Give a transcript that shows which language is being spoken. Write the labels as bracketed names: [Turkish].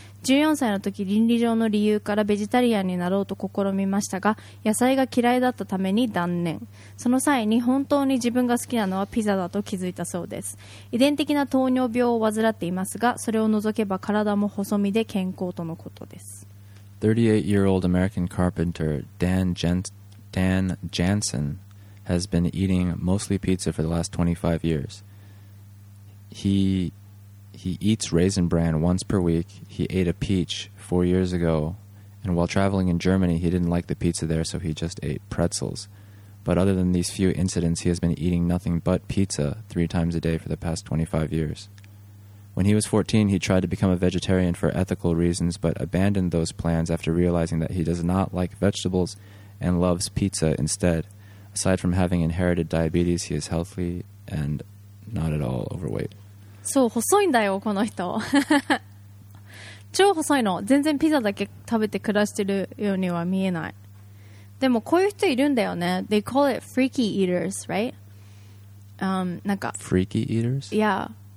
[Japanese] 14歳の時倫理上の理由からベジタリアンになろうと試みましたが野菜が嫌いだったために断念。その際に本当に自分が好きなのはピザだと気づいたそうです。遺伝的な糖尿病を患っていますがそれを除けば体も細身で健康とのことです。 [English] 38-year-old American carpenter Dan Jansen has been eating mostly pizza for the last 25 years. He eats raisin bran once per week. He ate a peach 4 years ago And while traveling in Germany, he didn't like the pizza there, so he just ate pretzels. But other than these few incidents, he has been eating nothing but pizza 3 times a day for the past 25 years. When he was 14, he tried to become a vegetarian for ethical reasons, but abandoned those plans after realizing that he does not like vegetables and loves pizza instead. Aside from having inherited diabetes, he is healthy and not at all overweight. [Japanese] So, 細いんだよ、この人。超細いの。全然ピザだけ食べて暮らしてるようには見えない。でもこういう人いるんだよね。 [English] They call it freaky eaters, right? なんか freaky eaters? Yeah.